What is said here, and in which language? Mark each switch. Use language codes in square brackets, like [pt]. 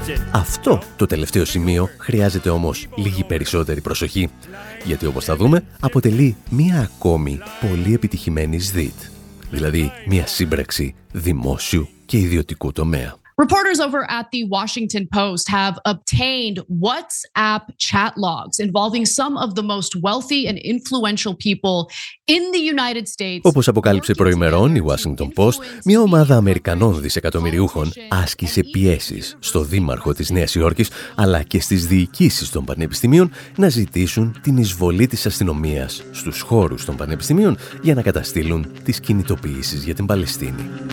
[el] Αυτό το τελευταίο σημείο χρειάζεται όμως λίγη περισσότερη προσοχή, γιατί όπως θα δούμε αποτελεί μία ακόμη πολύ επιτυχημένη ΣΔΙΤ, δηλαδή μία σύμπραξη δημόσιου και ιδιωτικού τομέα. [en] Reporters over at the Washington Post have obtained WhatsApp chat logs involving some of the most wealthy and influential people in the United States. [el] Όπως αποκάλυψε προημερών η Washington Post, μια ομάδα Αμερικανών δισεκατομμυριούχων άσκησε πιέσεις στο δήμαρχο της Νέας Υόρκης αλλά και στις διοικήσεις των πανεπιστημίων να ζητήσουν την εισβολή της αστυνομίας στους χώρους των πανεπιστημίων για να καταστήλουν τις κινητοποιήσεις για την Παλαιστίνη.